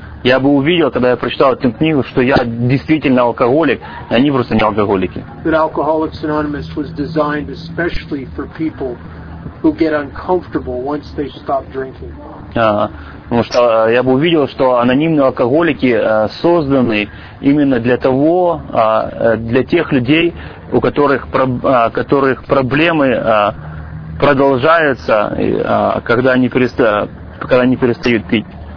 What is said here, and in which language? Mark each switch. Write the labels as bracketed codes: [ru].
[ru] Я бы увидел, когда я прочитал эту книгу, что я действительно алкоголик, а они просто не алкоголики. [en] That Alcoholics Anonymous was designed especially for people who get uncomfortable once they stop drinking. [ru] Потому что я бы увидел, что анонимные алкоголики созданы именно для того, для тех людей, у которых которых проблемы продолжаются, когда они перестают пить.